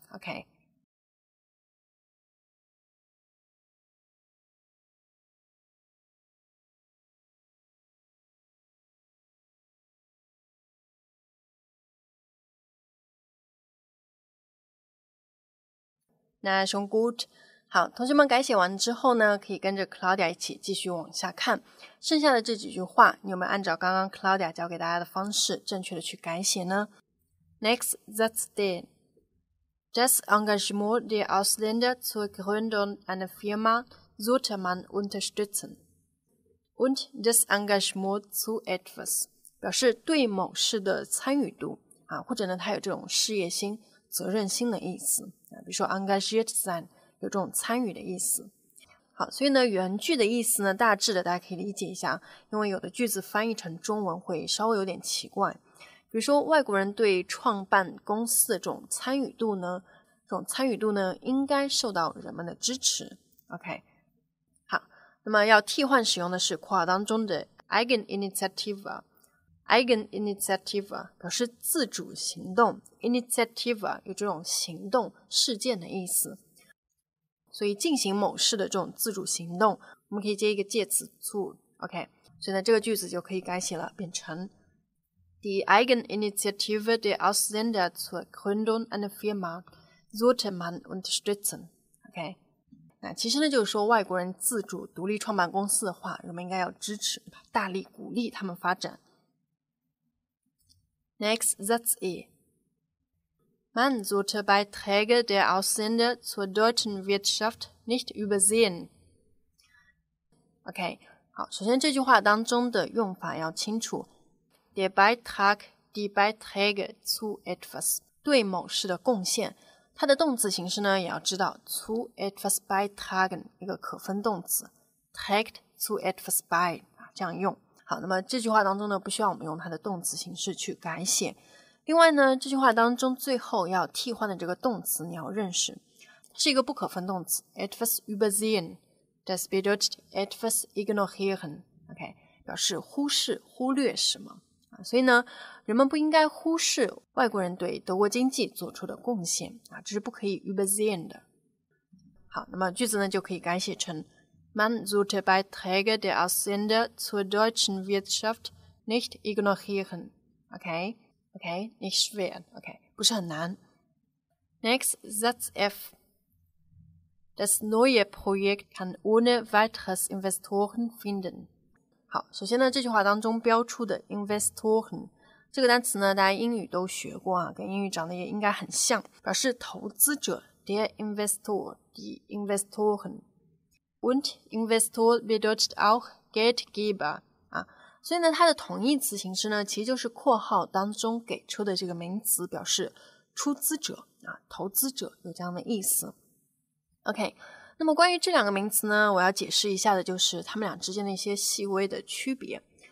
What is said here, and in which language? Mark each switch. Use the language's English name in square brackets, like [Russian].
[German] OK， [Chinese] 那 [German] schon gut。 [Chinese] 好，同学们改写完之后呢，可以跟着 Claudia 一起继续往下看剩下的这几句话，你有没有按照刚刚 Claudia 教给大家的方式正确的去改写呢？ [English] Next, that's then. [German] Das Engagement der Ausländer zur Gründung einer Firma sollte man unterstützen. und das Engagement zu etwas. [Chinese] 表示对某事的参与度啊，或者呢，它有这种事业心、责任心的意思啊。比如说 [German] engagiert sein [Chinese] 有这种参与的意思。好，所以呢，原句的意思呢，大致的大家可以理解一下，因为有的句子翻译成中文会稍微有点奇怪。比如说外国人对创办公司的这种参与度呢应该受到人们的支持。 OK, 好，那么要替换使用的是括号当中的 Eigeninitiative 表示自主行动 ,Initiative 有这种行动事件的意思。所以进行某事的这种自主行动我们可以接一个介词 zu,OK, 所以呢这个句子就可以改写了变成 [German] Die Eigeninitiative der Ausländer zur Gründung einer Firma sollte man unterstützen. [English] Okay. [Chinese] 那其实呢就是说外国人自主独立创办公司的话人们应该要支持大力鼓励他们发展。 [English] Next, that's it. [German] Man sollte Beiträge der Ausländer zur deutschen Wirtschaft nicht übersehen. [English] Okay. [Chinese] 好，首先这句话当中的用法要清楚。 [German] Der Beitrag, die Beiträge zu etwas, [Chinese] 对某事的贡献。它的动词形式呢也要知道 [German] zu etwas beitragen, [Chinese] 一个可分动词 [German] trägt zu etwas bei, [Chinese] 这样用。好，那么这句话当中呢不需要我们用它的动词形式去改写。另外呢这句话当中最后要替换的这个动词你要认识。它是一个不可分动词 [German] etwas übersehen, das bedeutet etwas ignorieren, [Chinese] OK, 表示忽视忽略什么。所以呢人们不应该忽视外国人对德国经济做出的贡献啊，这是不可以 übersehen 的。好，那么句子呢就可以改写成 [German] Man sollte Beiträge der Ausländer zur deutschen Wirtschaft nicht ignorieren. [English] OK? OK? [German] Nicht schwer. [English] OK? [Chinese] 不是很难。 [English] Next, [German] Satz F. Das neue Projekt kann ohne weiteres Investoren finden. [Chinese] 好，首先呢，这句话当中标出的 investoren 这个单词呢，大家英语都学过啊，跟英语长得也应该很像，表示投资者 [German] der Investor, die Investoren. Und Investor bedeutet auch Geldgeber. [Chinese] 啊，所以呢，它的同义词形式呢，其实就是括号当中给出的这个名词，表示出资者啊，投资者有这样的意思。 OK。那么关于这两个名词呢我要解释一下的就是他们俩之间的一些细微的区别。